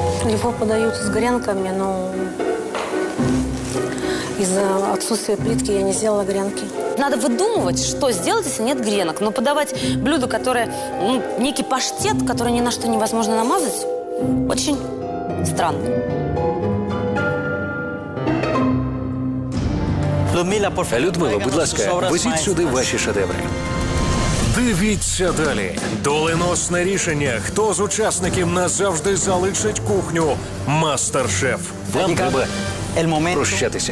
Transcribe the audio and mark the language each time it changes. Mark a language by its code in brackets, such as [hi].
[uk] Його подають з гренками, але... [ru] Из-за отсутствия плитки я не сделала гренки. Надо выдумывать, что сделать, если нет гренок. Но подавать блюдо, которое, ну, некий паштет, который ни на что невозможно намазать, очень странно. [uk] Людмила, будь ласка, везіть сюди ваші шедеври. Дивіться далі. Доленосне рішення. Хто з учасників назавжди залишить кухню? Мастер-шеф. Вам треба... [es] El momento [uk] прощатися.